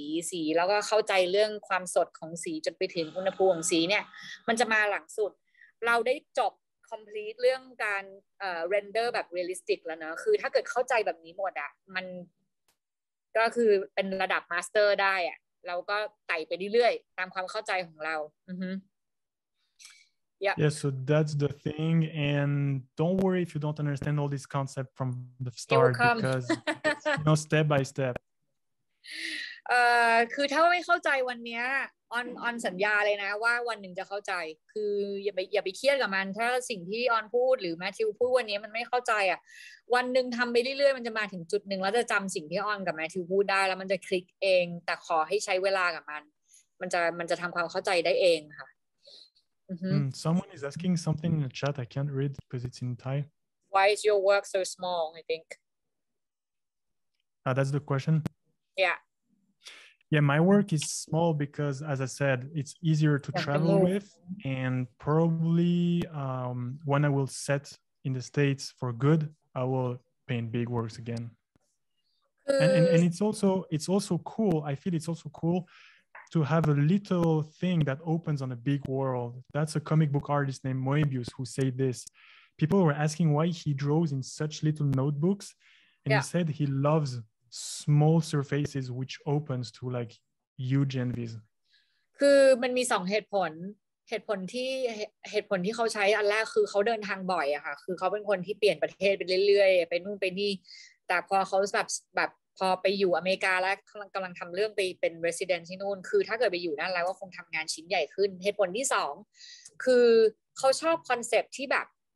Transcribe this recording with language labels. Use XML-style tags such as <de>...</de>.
<th>สีแล้วก็เข้าใจเรื่องความสดของสีจนไปถึงอุณหภูมิของสีเนี่ยมันจะมาหลังสุดเราได้จบcomplete เรื่องการrender แบบ realistic แล้วเนาะคือถ้าเกิดเข้าใจแบบนี้หมดอ่ะมันก็คือเป็นระดับ master ได้อ่ะเราก็ไต่ไปเรื่อยๆตามความเข้าใจของเราอือฮึ</th> <en>Yeah Yeah so that's the thing and don't worry if you don't understand all this concept from the start because you know step by step</en> <th>คือถ้าไม่เข้าใจวันเนี้ยออนสัญญาเลยนะว่าวันหนึ่งจะเข้าใจคืออย่าไปเครียดกับมันถ้าสิ่งที่ออนพูดหรือแมทธิวพูดวันนี้มันไม่เข้าใจอ่ะวันหนึ่งทำไปเรื่อยๆมันจะมาถึงจุดหนึ่งแล้วจะจำสิ่งที่ออนกับแมทธิวพูดได้แล้วมันจะคลิกเองแต่ขอให้ใช้เวลากับมันจะทำความเข้าใจได้เองค่ะ</th> <en>Someone is asking something in the chat I can't read because it's in Thai Why is your work so small I think That's the question Yeah Yeah, my work is small because, as I said, it's easier to travel with. And probably when I will set in the States for good, I will paint big works again. And it's also cool. I feel it's also cool to have a little thing that opens on a big world. That's a comic book artist named Moebius who said this. People were asking why he draws in such little notebooks. And yeah. he said he loves small surfaces which opens to like huge envies</en> <th>คือมันมี2เหตุผลที่เขาใช้อันแรกคือเขาเดินทางบ่อยอะค่ะคือเขาเป็นคนที่เปลี่ยนประเทศไปเรื่อยๆไปนู่นไปนี่แต่พอเขาแบบพอไปอยู่อเมริกาแล้วกำลังทำเรื่องไปเป็น resident ที่นู่นคือถ้าเกิดไปอยู่นั่นแล้วก็คงทำงานชิ้นใหญ่ขึ้นเหตุผลที่2คือเขาชอบคอนเซ็ปต์ที่แบบ</th>